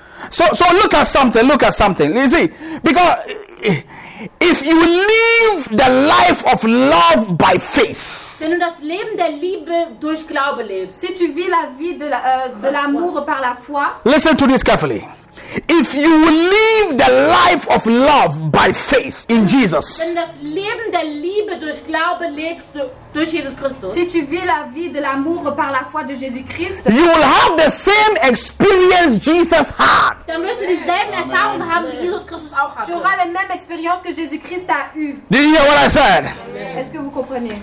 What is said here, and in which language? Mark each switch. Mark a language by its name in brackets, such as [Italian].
[English] So look at something. You see, because if you live the life of love by faith, [German] wenn du das Leben der Liebe durch Glaube lebst, [French] si tu vis la vie de l'amour par la foi, [English] listen to this carefully. If you live the life of love by faith in Jesus, [German] wenn das Leben der Liebe durch Glaube lebst durch Jesus Christus, [French] si tu vis la vie de l'amour par la foi de Jésus Christ, [English] you will have the same experience Jesus had. [German] Dann wirst du dieselben Erfahrungen haben, die Jesus Christus auch hatte. [French] Tu auras la même expérience que Jésus Christ a eu. [English] Did you hear what I said? Amen. [French] Est-ce que vous comprenez?